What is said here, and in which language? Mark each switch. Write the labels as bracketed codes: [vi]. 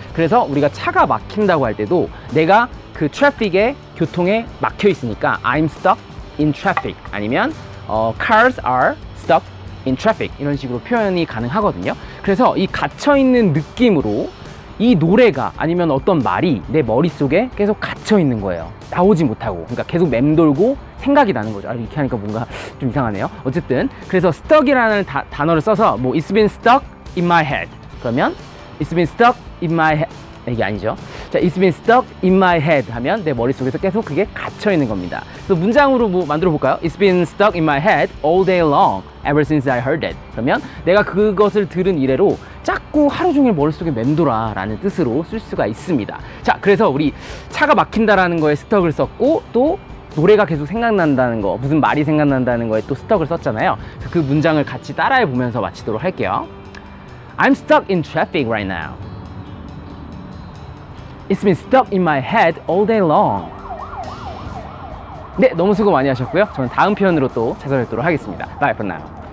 [ko] 그래서 우리가 차가 막힌다고 할 때도 내가 그 트래픽에, 교통에 막혀 있으니까 [en] I'm stuck in traffic [ko] 아니면 [en] cars are stuck in traffic [ko] 이런 식으로 표현이 가능하거든요. 그래서 이 갇혀있는 느낌으로 이 노래가 아니면 어떤 말이 내 머릿속에 계속 갇혀있는 거예요. 나오지 못하고, 그러니까 계속 맴돌고 생각이 나는 거죠. 이렇게 하니까 뭔가 좀 이상하네요. 어쨌든 그래서 stuck이라는 단어를 써서 뭐 [en] It's been stuck in my head [ko] 그러면 It's been stuck in my head 이게 아니죠. 자, [en] It's been stuck in my head [ko] 하면 내 머릿속에서 계속 그게 갇혀있는 겁니다. 그래서 문장으로 뭐 만들어볼까요? [en] It's been stuck in my head all day long ever since I heard it. [ko] 그러면 내가 그것을 들은 이래로 자꾸 하루 종일 머릿속에 맴돌아 라는 뜻으로 쓸 수가 있습니다. 자, 그래서 우리 차가 막힌다라는 거에 stuck을 썼고 또 노래가 계속 생각난다는 거, 무슨 말이 생각난다는 거에 또 stuck을 썼잖아요. 그래서 그 문장을 같이 따라해보면서 마치도록 할게요. [en] I'm stuck in traffic right now. It's been stuck in my head all day long. [ko] 네, 너무 수고 많이 하셨고요. 저는 다음 편으로 또 찾아뵙도록 하겠습니다. [en] Bye for now.